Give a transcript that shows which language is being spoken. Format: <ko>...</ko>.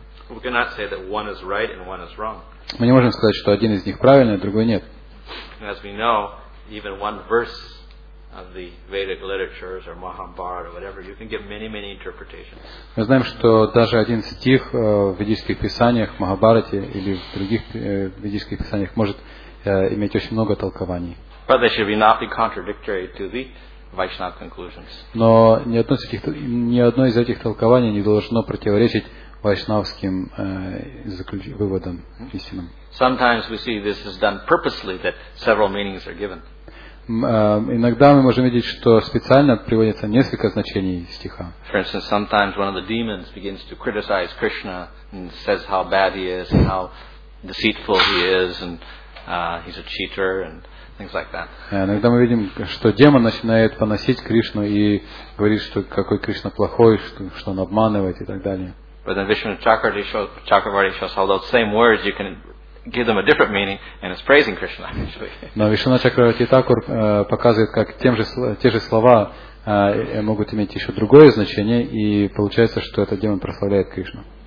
<en>We cannot say that one is right and one is wrong.</en> <ru>Мы не можем сказать, что один из них правильный, другой нет.</ru> <en>As we know, even one verse of the Vedic literatures or Mahabharata or whatever, you can give many, many interpretations.</en> <ru>Мы знаем, что даже один стих в ведических писаниях, в Махабхарате или в других ведических писаниях может иметь очень много толкований.</ru> <en>But they should not be contradictory to the Vaishnava conclusions.</en> <ru>Но ни одно из этих толкований не должно противоречить вайшнавским выводам, истинам.</ru> <en>Sometimes we see this is done purposely, that several meanings are given.</en> <ru>иногда мы можем видеть, что специально приводится несколько значений стиха.</ru> <en>For instance, sometimes one of the demons begins to criticize Krishna and says how bad he is and how deceitful he is and he's a cheater and things like that.</en> <ru>Иногда мы видим, что демон начинает поносить Кришну и говорит, что какой Кришна плохой, что он обманывает и так далее.</ru> <en>But then Vishnu Chakravarti shows how those same words you can give them a different meaning and it's praising Krishna actually.</en> <ru>Но Вишна Чакраварти Такур показывает, как те же слова могут иметь еще другое значение, и получается, что этот демон прославляет Кришну.</ru>